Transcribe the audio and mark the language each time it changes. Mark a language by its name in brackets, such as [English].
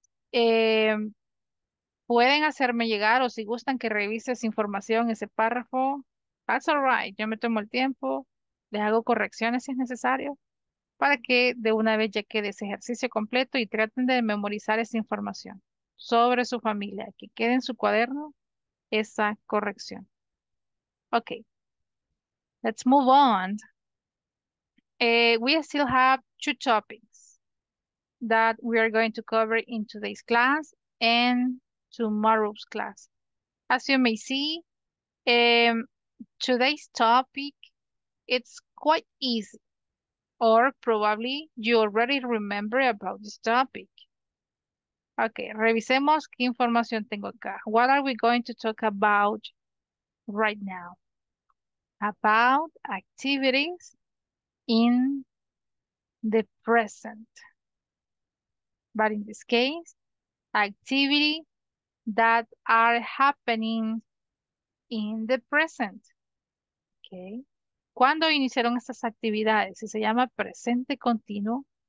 [Spanish] pueden hacerme llegar o si gustan que revise esa información, ese párrafo, [English] that's all right, [Spanish] yo me tomo el tiempo, les hago correcciones si es necesario, para que de una vez ya quede ese ejercicio completo y traten de memorizar esa información sobre su familia, que quede en su cuaderno esa corrección. [English] Ok, let's move on. We still have two topics that we are going to cover in today's class and tomorrow's class. As you may see, today's topic, it's quite easy, or probably you already remember about this topic. [Spanish] Okay, revisemos qué información tengo acá. [English] What are we going to talk about right now? About activities in the present. But in this case, activity that are happening in the present. [Spanish] Okay. ¿Cuándo iniciaron estas actividades? Si se llama presente continuo,